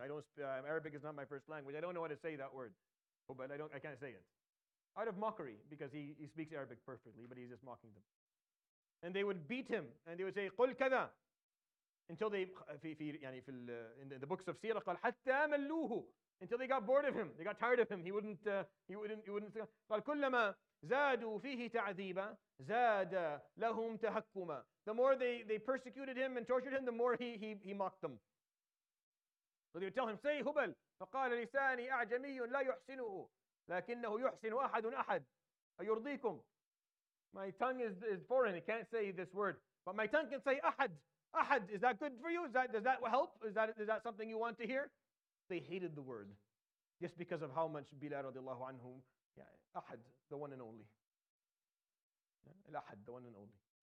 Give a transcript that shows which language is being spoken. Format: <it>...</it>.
<en>I don't Arabic is not my first language. I don't know how to say that word. Hubal, I can't say it. Out of mockery, because he speaks Arabic perfectly, but he's just mocking them. And they would beat him, and they would say,</en> <ar>قُلْ كَذَا</ar> <en>until they, in the books of Sirah,</en> <ar>قَلْ حَتَّى مَلُّوهُ</ar> <en>until they got bored of him, they got tired of him. He wouldn't,</en> <ar>قَلْ كُلَّمَا زَادُوا فِيهِ تَعْذِيبًا زَادَ لَهُمْ تَحَكُّمًا.</ar> <en>The more they persecuted him and tortured him, the more he mocked them. So they would tell him, say,</en> <ar>هُبَلْ فَقَالَ لِسَانِي أَعْجَمِيٌ لَا يُحْسِنُهُ لَكِنَّهُ يُحْسِنُ أَحَدٌ أَحَدٌ أَيُرْضِيكُمْ.</ar> <en>My tongue is foreign, it can't say this word. But my tongue can say Ahad. Ahad, is that good for you? Does that help? Is that something you want to hear? They hated the word. Just because of how much Bilal radiallahu anhu, Ahad, the one and only. Al-Ahad, the one and only.</en>